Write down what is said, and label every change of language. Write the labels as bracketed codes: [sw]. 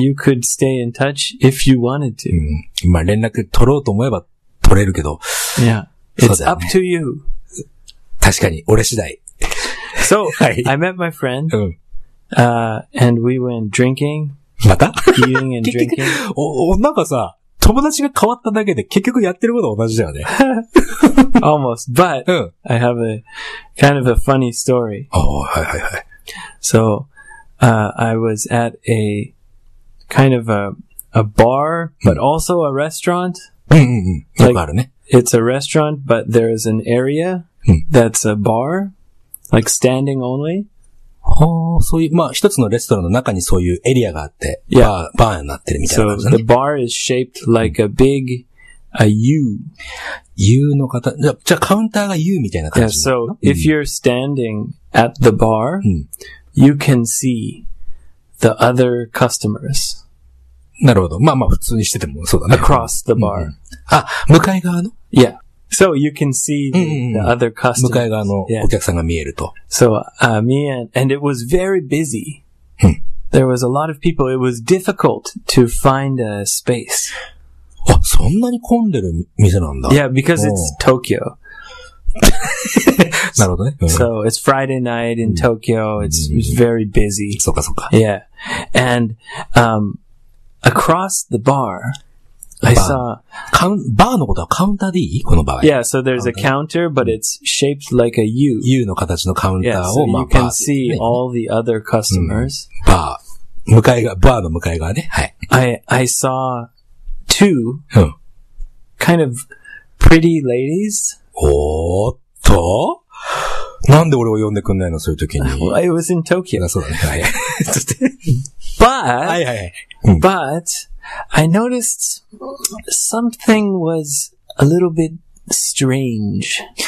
[en] You could stay in touch if you wanted to.、 [ja] まあ、連絡取ろうと思えば取れるけど。 [en] Yeah. It's、ね、up to you. [ja] 確かに、俺次第。 [en] So, 、はい、I met my friend. And we went drinking. [ja] また [en] eating and drinking. [ja] なんかさ、友達が変わっただけで結局やってることは同じだよね。 [en] Almost, but I have a kind of a funny story. Oh, hi, hi, hi. So, I was at a kind of a bar, but also a restaurant. Like, it's a restaurant, but there's an area that's a bar, like standing only. [ja] Oh, so, まあ、一つのレストランの中にそういうエリアがあって、バーになってるみたいな感じだね。 [en] So, the bar is shaped like a big,A U. [ja] U の形。じゃあ、カウンターが U みたいな感じ。 [en] Yeah, so, if you're standing at the bar, you can see the other customers. [ja] なるほど。まあまあ、普通にしててもそうだね。 [en] Across the bar.、うん、 [ja] あ、向かい側の [en] Yeah. So you can see the, うんうん、うん、the other customers. [ja] 向かい側のお客さんが見えると。 [en] Yeah. So,、me and it was very busy.、 [ja] うん、 [en] There was a lot of people. It was difficult to find a space. [ja] あ、そんなに混んでる店なんだ。 [en] Yeah, because it's Tokyo. [ja] なるほどね。うん、 [en] so it's Friday night in Tokyo. It's、うん、very busy. [ja] そうかそうか。 [en] Yeah. And,、across the bar, I saw, [ja] バーのことはカウンターでいい? この場合。 [en] Yeah, so there's a counter, but it's shaped like a U. [ja] U の形のカウンターを、 so、まあ、 [en] you can see all the other customers.、 [ja] うん、バー。向かい側、バーの向かい側ね。はい。 [en] I saw two、 [ja] うん、 [en] kind of pretty ladies. [ja] おーっと? なんで俺を呼んでくんないの? そういう時に。 [en] Well, I was in Tokyo. [ja] そうだね。はい。 [en] But, but, I noticed something was a little bit strange.